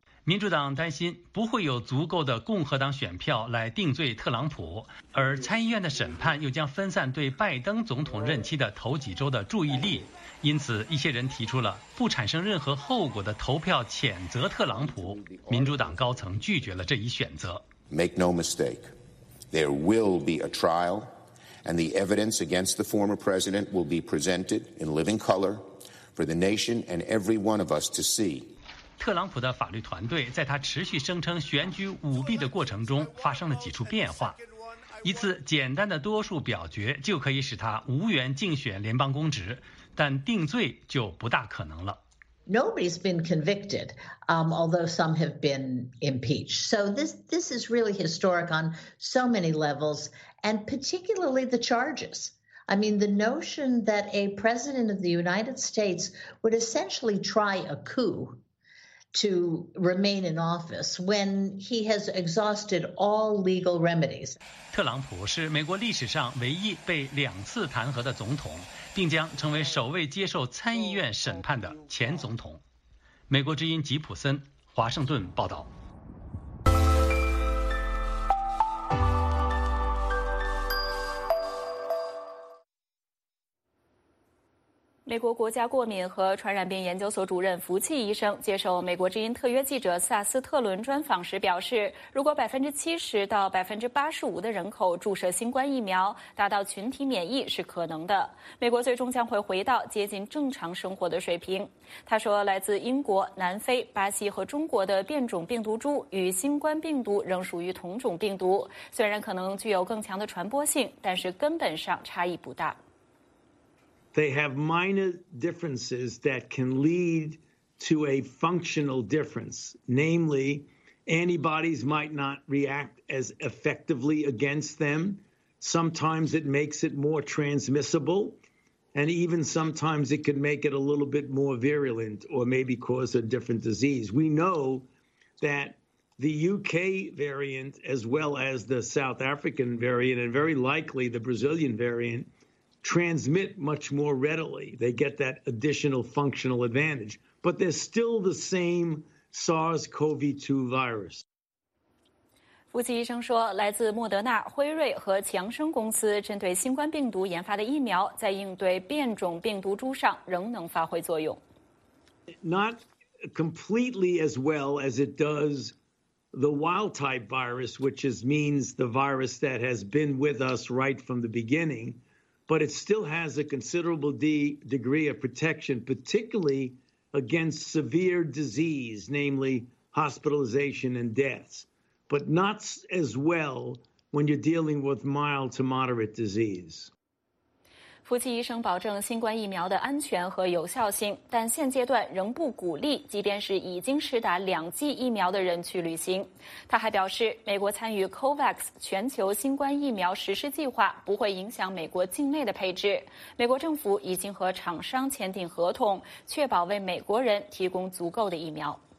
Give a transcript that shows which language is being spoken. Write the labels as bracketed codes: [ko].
[zh] 民主党担心不会有足够的共和党选票来定罪特朗普，而参议院的审判又将分散对拜登总统任期的头几周的注意力，因此一些人提出了不产生任何后果的投票谴责特朗普。民主党高层拒绝了这一选择。 [en] Make no mistake. There will be a trial, and the evidence against the former president will be presented in living color for the nation and every one of us to see. [zh] 特朗普的法律团队在他持续声称选举舞弊的过程中发生了几处变化。一次简单的多数表决就可以使他无缘竞选联邦公职，但定罪就不大可能了。 [en] Nobody's been convicted, although some have been impeached. So this is really historic on so many levels, and particularly the charges. I mean, the notion that a president of the United States would essentially try a coup to remain in office when he has exhausted all legal remedies. [zh] 特朗普是美国历史上唯一被两次弹劾的总统，并将成为首位接受参议院审判的前总统。美国之音吉普森，华盛顿报道。美国国家过敏和传染病研究所主任福契医生接受美国之音特约记者萨斯特伦专访时表示，如果70%到85%的人口注射新冠疫苗，达到群体免疫是可能的，美国最终将会回到接近正常生活的水平。他说，来自英国、南非、巴西和中国的变种病毒株与新冠病毒仍属于同种病毒，虽然可能具有更强的传播性，但是根本上差异不大。 [en] They have minor differences that can lead to a functional difference. Namely, antibodies might not react as effectively against them. Sometimes it makes it more transmissible. And even sometimes it could make it a little bit more virulent or maybe cause a different disease. We know that the UK variant, as well as the South African variant, and very likely the Brazilian variant,transmit much more readily. They get that additional functional advantage. But they're still the same SARS-CoV-2 virus. [zh] 福奇医生说，来自莫德纳、辉瑞和强生公司针对新冠病毒研发的疫苗，在应对变种病毒株上仍能发挥作用。 [en] Not completely as well as it does the wild type virus, which is means the virus that has been with us right from the beginning, but it still has a considerable degree of protection, particularly against severe disease, namely hospitalization and deaths, but not as well when you're dealing with mild to moderate disease. [zh] 夫妻医生保证新冠疫苗的安全和有效性，但现阶段仍不鼓励即便是已经施打两剂疫苗的人去旅行。他还表示，美国参与 COVAX 全球新冠疫苗实施计划不会影响美国境内的配置。美国政府已经和厂商签订合同，确保为美国人提供足够的疫苗。